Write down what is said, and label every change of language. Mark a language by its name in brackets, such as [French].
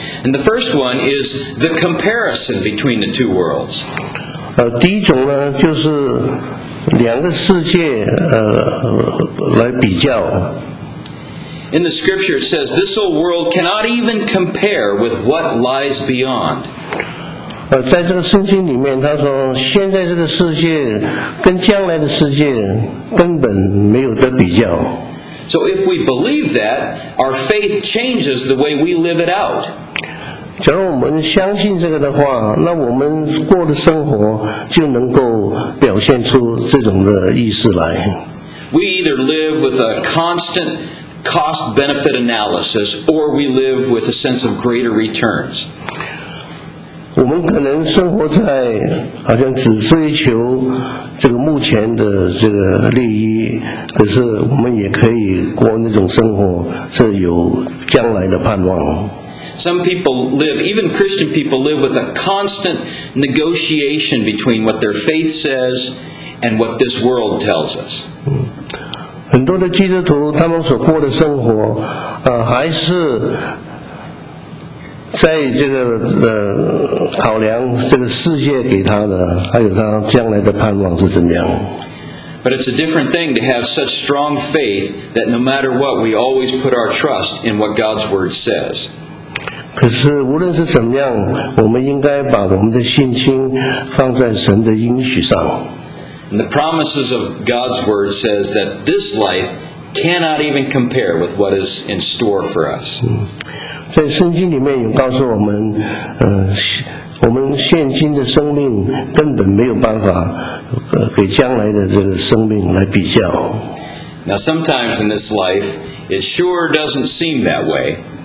[English] And the first one is the comparison between the two worlds. [Chinese] 第一种呢就是两个世界来比较。 [English] In the scripture it says, this old world cannot even compare with what lies beyond. [Chinese] 在这个圣经里面他说现在这个世界跟将来的世界根本没有得比较。 [English] So if we believe that, our faith changes the way we live it out. [Chinese] 假如我们相信这个的话，那我们过的生活就能够表现出这种的意思来。 [English] We either live with a constant cost-benefit analysis, or we live with a sense of greater returns. [Chinese] 我们可能生活在好像只追求这个目前的这个利益，可是我们也可以过那种生活，是有将来的盼望。 [English] Some people live, even Christian people live with a constant negotiation between what their faith says and what this world tells us. [Chinese] 很多的基督徒他们所过的生活还是在这个考量这个世界给他的，还有他将来的盼望是怎么样。 [English] But it's a different thing to have such strong faith that no matter what, we always put our trust in what God's Word says. [Chinese] 可是无论是怎么样，我们应该把我们的信心放在神的应许上。 [English] And the promises of God's Word says that this life cannot even compare with what is in store for us. [Chinese] 在圣经里面有告诉我们，我们现今的生命根本没有办法给将来的这个生命来比较。 [English] Now sometimes in this life, it sure doesn't seem that way.